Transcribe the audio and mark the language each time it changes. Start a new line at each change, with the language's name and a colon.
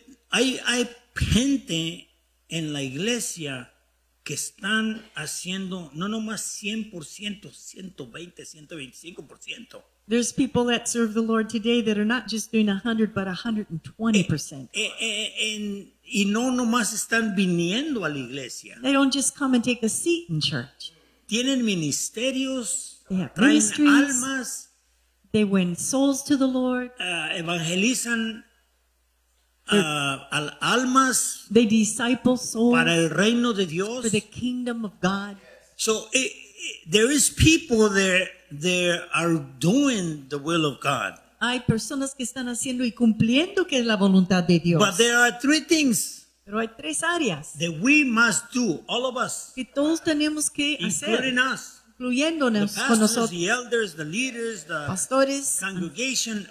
Spanish: Hay gente en la iglesia que están haciendo no nomás 100%, 120%, 125%.
English: There's people that serve the Lord today that are not just doing 100, but 120%.
Spanish: Y no nomás están viniendo a la iglesia.
English: They don't just come and take a seat in church.
Spanish: Tienen ministerios.
English: They have ministries.
Spanish: Traen almas.
English: They win souls to the Lord.
Spanish: Evangelizan almas.
English: They disciple souls.
Spanish: Para el reino de Dios.
English: For the kingdom of God. So there is people there. They are doing the will of God.
Spanish: hay personas que están haciendo y cumpliendo que es la voluntad de Dios.
English: But there are three things.
Spanish: Pero hay tres áreas.
English: That we must do, all of us.
Spanish: Que todos tenemos que hacer.
English: Including us.
Spanish: Incluyéndonos
English: pastors,
Spanish: con nosotros.
English: The elders, the leaders, the
Spanish: pastores,
English: congregation,